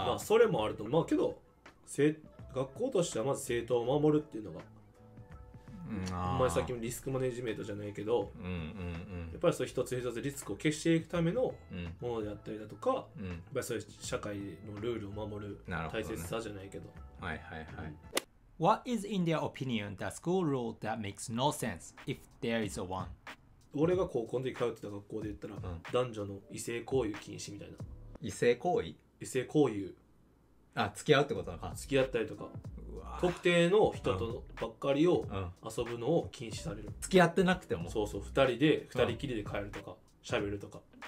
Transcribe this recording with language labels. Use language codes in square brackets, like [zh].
[ja] まあ、それもあると思う、まあ、けど学校としてはまず生徒を守るっていうのが、お前さっきもリスクマネジメントじゃないけど、やっぱりそう一つ一つリスクを消していくためのものであったりだとか、やっぱりそういう社会のルールを守る大切さじゃないけど、はいはいはい。 [en] What is in their opinion the school rule that makes no sense if there is a one? [ja] 俺が高校の時通ってた学校で言ったら、男女の異性交友禁止みたいな。異性交友？異性交友。あ、付き合うってことか。付き合ったりとか、特定の人とばっかりを遊ぶのを禁止される、付き合ってなくても。そうそう、2人で2人きりで帰るとか喋、うん、るとか。